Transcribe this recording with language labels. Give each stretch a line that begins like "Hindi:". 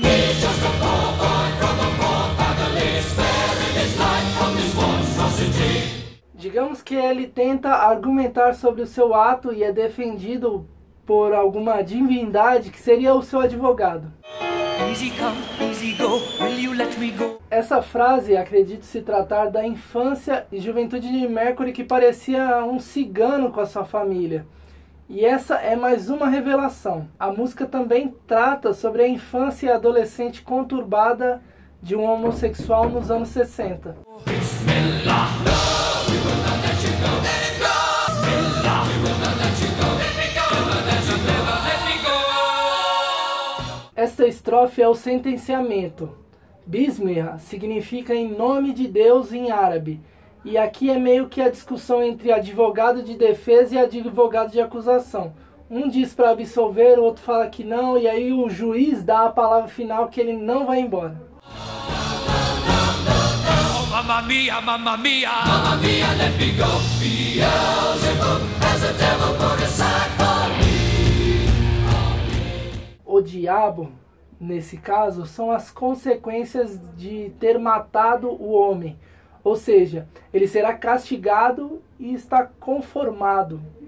English: He's just a poor boy from a poor family, sparing his life from this monstrosity.
Portuguese: Digamos que ele tenta argumentar sobre o seu ato e é defendido por alguma divindade que seria o seu advogado.
English: Easy come, easy go, will you let me go?
Portuguese: Essa frase acredito se tratar da infância e juventude de Mercury, que parecia um cigano com a sua família. E essa é mais uma revelação. A música também trata sobre a infância e adolescente conturbada de um homossexual nos anos 60.
Arabic: Bismillah.
Portuguese: Esta estrofe é o sentenciamento. Bismillah significa em nome de Deus em árabe. E aqui é meio que a discussão entre advogado de defesa e advogado de acusação. Um diz para absolver, o outro fala que não, e aí o juiz dá a palavra final que ele não vai embora.
Italian: Oh, mamma mia, mamma mia, mamma mia,
English: let me go. Beelzebub has a devil put aside.
Portuguese: O diabo, nesse caso, são as consequências de ter matado o homem. Ou seja, ele será castigado e está conformado.